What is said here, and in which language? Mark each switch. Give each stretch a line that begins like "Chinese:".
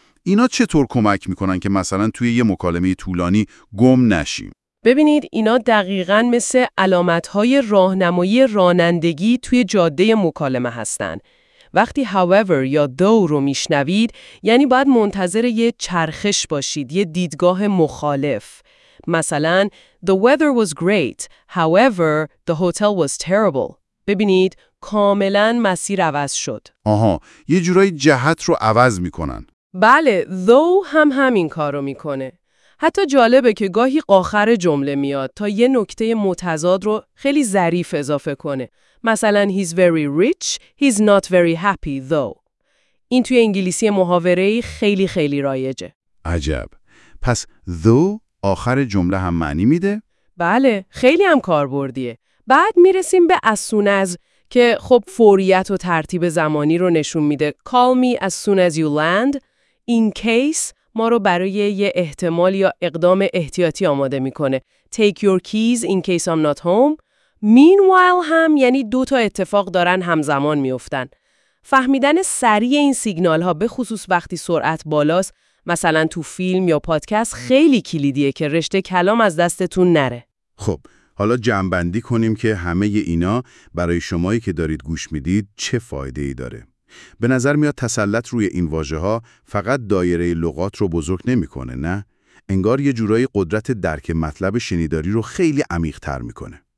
Persian: اینا چطور کمک میکنن که مثلا توی یه مکالمه طولانی گم نشیم؟ ببینید، اینا دقیقاً مثل علامت‌های راهنمایی رانندگی توی جاده مکالمه هستن. وقتی however یا though رو میشنوید، یعنی باید منتظر یه چرخش باشید، یه دیدگاه مخالف.
English: مثلا the weather was great, however the hotel was terrible.
Persian: ببینید، کاملاً مسیر عوض شد. آها، یه جورای جهت رو عوض میکنن. بله، though هم همین کار رو میکنه. حتی جالبه که گاهی قاخر جمله میاد تا یه نکته متضاد رو خیلی ظریف اضافه کنه.
English: مثلا he's very rich, he's not very happy though.
Persian: این توی انگلیسی محاوره‌ای خیلی خیلی رایجه. عجب. پس though آخر جمله هم معنی میده؟ بله، خیلی هم کاربردیه. بعد میرسیم به as soon as، که خب فوریت و ترتیب زمانی رو نشون میده.
English: call me as soon as you land.
Persian: in case ما رو برای یه احتمال یا اقدام احتیاطی آماده میکنه.
English: Take your keys in case I'm not home.
Persian: Meanwhile هم یعنی دو تا اتفاق دارن همزمان میفتن. فهمیدن سریع این سیگنال ها به خصوص وقتی سرعت بالاست، مثلا تو فیلم یا پادکست، خیلی کلیدیه که رشته کلام از دستتون نره. خب، حالا جمع‌بندی کنیم که همه اینا برای شمایی که دارید گوش میدید چه فایده ای داره؟ به نظر میاد تسلط روی این واژه ها فقط دایره لغات رو بزرگ نمی کنه، نه؟ انگار یه جورایی قدرت درک مطلب شنیداری رو خیلی عمیق تر می کنه.